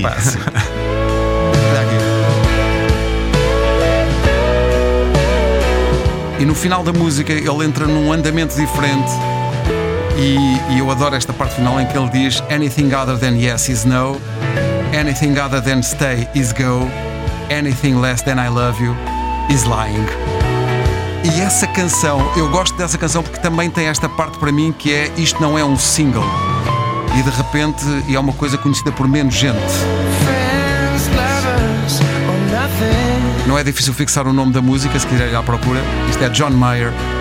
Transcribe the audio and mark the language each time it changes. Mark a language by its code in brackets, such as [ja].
[pt] Epá, e no final da música ele entra num andamento diferente, e eu adoro esta parte final em que ele diz: [en] anything other than yes is no, anything other than stay is go, anything less than I love you is lying. [pt] E essa canção, eu gosto dessa canção porque também tem esta parte para mim, que é: isto não é um single. E de repente, e é uma coisa conhecida por menos gente. [en] Friends, lovers, or nothing. [pt] Não é difícil fixar o nome da música, se quiser ir à procura. Isto é John Mayer.